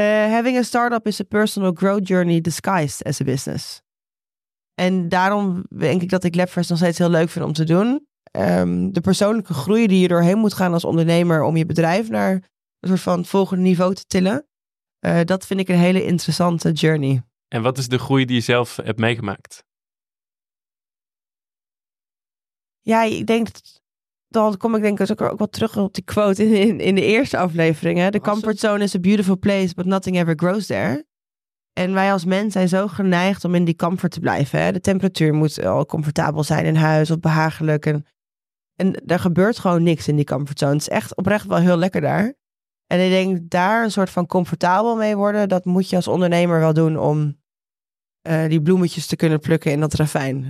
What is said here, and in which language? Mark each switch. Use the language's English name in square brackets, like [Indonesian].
[English] having a startup is a personal growth journey disguised as a business. [Dutch] En daarom denk ik dat ik LabFresh nog steeds heel leuk vind om te doen. De persoonlijke groei die je doorheen moet gaan als ondernemer om je bedrijf naar een soort van volgende niveau te tillen. Dat vind ik een hele interessante journey. En wat is de groei die je zelf hebt meegemaakt? Ja, ik denk, dan kom ik denk ik ook wel terug op die quote in de eerste aflevering. Hè? [English] The comfort zone is a beautiful place, but nothing ever grows there. [Dutch] En wij als mens zijn zo geneigd om in die comfort te blijven. Hè? De temperatuur moet al comfortabel zijn in huis of behagelijk. En er gebeurt gewoon niks in die comfort zone. Het is echt oprecht wel heel lekker daar. En ik denk, daar een soort van comfortabel mee worden, dat moet je als ondernemer wel doen om die bloemetjes te kunnen plukken in dat ravijn.